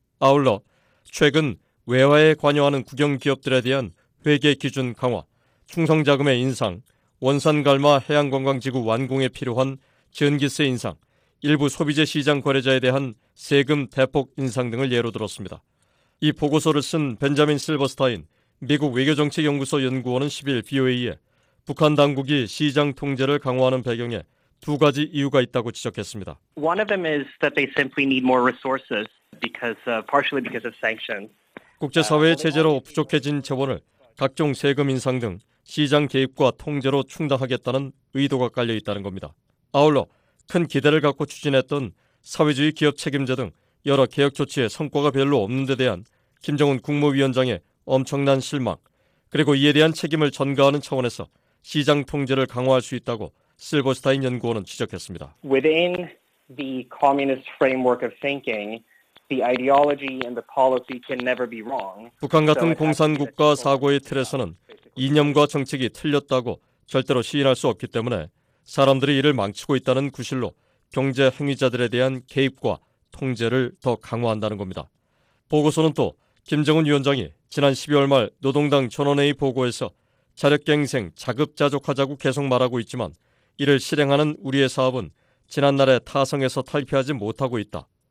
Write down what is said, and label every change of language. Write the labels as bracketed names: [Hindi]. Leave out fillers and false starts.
[Korean] 아울러 최근 외화에 관여하는 국영기업들에 대한 회계 기준 강화, 충성자금의 인상, 원산갈마 해양관광지구 완공에 필요한 전기세 인상, 일부 소비재 시장 거래자에 대한 세금 대폭 인상 등을 예로 들었습니다. 이 보고서를 쓴 벤자민 실버스타인 미국 외교정책연구소 연구원은 10일 BOA에 북한 당국이 시장 통제를 강화하는 배경에 두 가지 이유가 있다고 지적했습니다. [English] One of them is that they simply need more resources partially because of sanctions. [Korean] 국제사회의 제재로 부족해진 재원을 각종 세금 인상 등 시장 개입과 통제로 충당하겠다는 의도가 깔려 있다는 겁니다. 아울러 큰 기대를 갖고 추진했던 사회주의 기업 책임제 등 여러 개혁 조치에 성과가 별로 없는 데 대한 김정은 국무위원장의 엄청난 실망, 그리고 이에 대한 책임을 전가하는 차원에서 시장 통제를 강화할 수 있다고 실버스타인 연구원은 지적했습니다. [English] Within the communist framework of thinking, the ideology and the policy can never be wrong. [Korean] 북한 같은 공산국가 사고의 틀에서는 이념과 정책이 틀렸다고 절대로 시인할 수 없기 때문에 사람들이 이를 망치고 있다는 구실로 경제 행위자들에 대한 개입과 통제를 더 강화한다는 겁니다. 보고서는 또 김정은 위원장이 지난 12월 말 노동당 전원회의 보고에서 자력갱생, 자급자족하자고 계속 말하고 있지만 이를 실행하는 우리의 사업은 지난날의 타성에서 탈피하지 못하고 있다.